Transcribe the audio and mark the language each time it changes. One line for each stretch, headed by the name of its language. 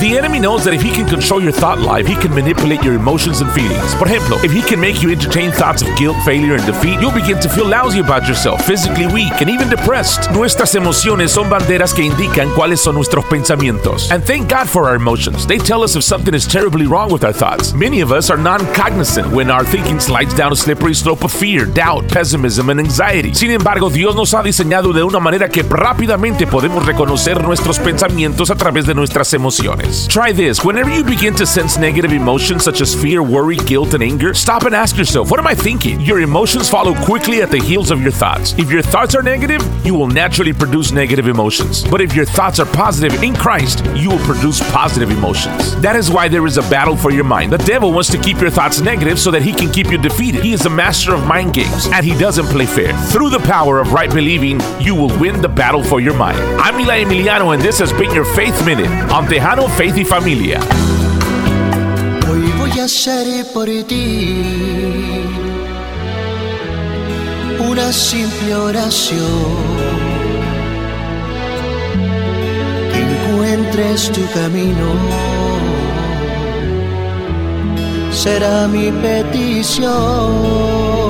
English: The enemy knows that if he can control your thought life, he can manipulate your emotions and feelings.
Spanish: Por ejemplo,
English: if he can make you entertain thoughts of guilt, failure, and defeat, you'll begin to feel lousy about yourself, physically weak, and even depressed.
Spanish: Nuestras emociones son banderas que indican cuáles son nuestros pensamientos.
English: And thank God for our emotions. They tell us if something is terribly wrong with our thoughts. Many of us are non-cognizant when our thinking slides down a slippery slope of fear, doubt, pessimism, and anxiety.
Spanish: Sin embargo, Dios nos ha diseñado de una manera que rápidamente podemos reconocer nuestros pensamientos a través de nuestras emociones.
English: Try this. Whenever you begin to sense negative emotions such as fear, worry, guilt, and anger, stop and ask yourself, what am I thinking? Your emotions follow quickly at the heels of your thoughts. If your thoughts are negative, you will naturally produce negative emotions. But if your thoughts are positive in Christ, you will produce positive emotions. That is why there is a battle for your mind. The devil wants to keep your thoughts negative so that he can keep you defeated. He is a master of mind games, and he doesn't play fair. Through the power of right believing, you will win the battle for your mind. I'm Eli Emiliano, and this has been your Faith Minute on Tejano, Faith y Familia.
Spanish: Hoy voy a hacer por ti una simple oración. Que encuentres tu camino será mi petición.